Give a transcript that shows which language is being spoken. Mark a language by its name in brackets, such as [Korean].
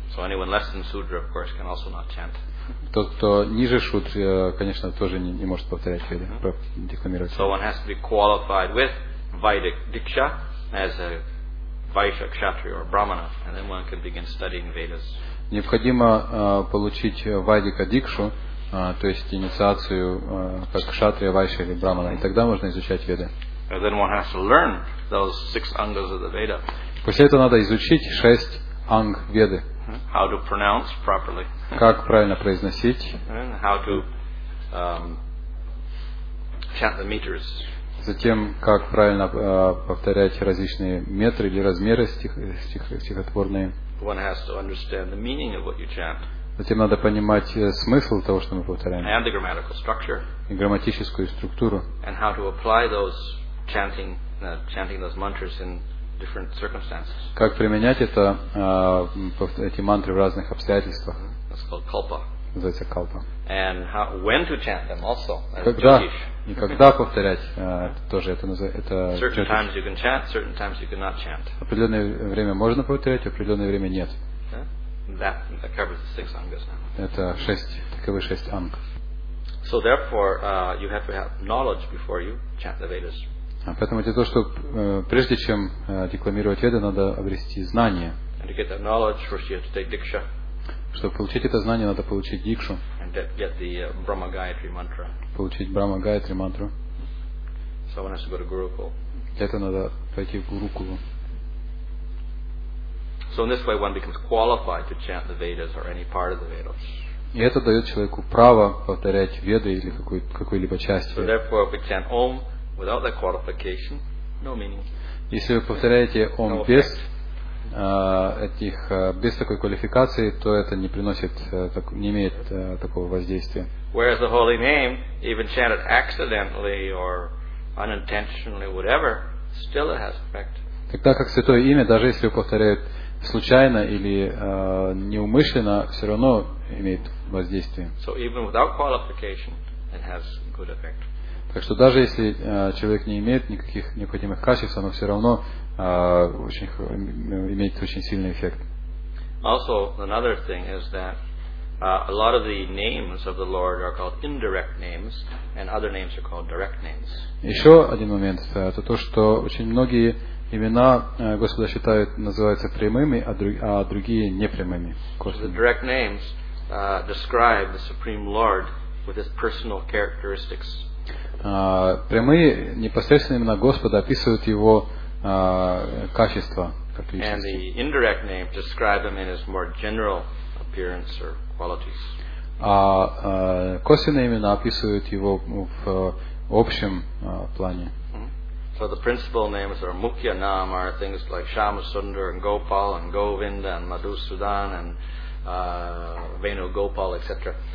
[English] So anyone less than Shudra, of course, can also not chant. [Russian] Тот, кто ниже Шудры, конечно, тоже не может повторять Веды, декламировать. [English] So one has to be qualified with Vedic Diksha as a Vaishya, Kshatriya or Brahmana, and then one can begin studying Vedas. [Russian] Необходимо получить Вайдика Дикшу, то есть инициацию как Кшатрия, Вайшья или Брахмана, и тогда можно изучать Веды. [English] And then one has to learn those six angas of the Veda. [Russian] После этого надо изучить шесть анг Веды. [English] How to pronounce properly. [Russian] Как правильно произносить. [English] And how to chant the meters. [Russian] Затем, как правильно повторять различные метры или размеры стихотворные. [English] One has to understand the meaning of what you chant. [Russian] Затем надо понимать смысл того, что мы повторяем. [English] And the grammatical structure. [Russian] И грамматическую структуру. [English] And how to apply those chanting those mantras in different circumstances. [Russian] Как применять это, эти мантры в разных обстоятельствах. [English] That's called kalpa. [Russian] Называется калпа. [English] And how, when to chant them also. [Russian] Когда? И когда повторять, тоже это называется. [English] Certain times you can chant, certain times you cannot chant. [Russian] Определенное время можно повторять, определенное время нет. [English] That covers the six angas now. [Russian] Это шесть, таковы шесть анг. [English] So therefore, you have to have knowledge before you chant the Vedas. [Russian] Поэтому для того, чтобы прежде чем декламировать Веды, надо обрести знание. [English] And to get that knowledge, first you have to take diksha. [Russian] Чтобы получить это знание, надо получить дикшу. [English] And get the Brahma Gayatri mantra. [Russian] Получить Брахма Гаятри мантру. [English] So one has to go to Gurukul. [Russian] Для этого надо пойти в Гурукулу. [English] So in this way one becomes qualified to chant the Vedas or any part of the Vedas. [Russian] И это дает человеку право повторять Веды или какую-либо часть. [English] So therefore, if we chant Om without that qualification, no meaning. [Russian] Если вы повторяете Om без этих без такой квалификации, то это не приносит, не имеет такого воздействия. [English] Whereas the holy name, even chanted accidentally or unintentionally, whatever, still it has effect. [Russian] Тогда как святое имя, даже если вы повторяет случайно или неумышленно, все равно имеет воздействие. [English] So even without qualification, it has good effect. [Russian] Так что даже если человек не имеет никаких необходимых качеств, оно все равно имеет очень сильный эффект. [English] Also, another thing is that a lot of the names of the Lord are called indirect names, and other names are called direct names. [Russian] Еще один момент это то, что очень многие имена Господа считают называются прямыми, а другие непрямыми. [English] The direct names describe the Supreme Lord with his personal characteristics. [Russian] Прямые непосредственные имена Господа описывают его качества. [English] And the indirect names describe him in his more general appearance or qualities. [Russian] Косвенные имена описывают его в общем плане. [English] So the principal names or mukhya nam are things like Shyamasundara and Gopal and Govinda and Madhusudan and Venu Gopal, etc.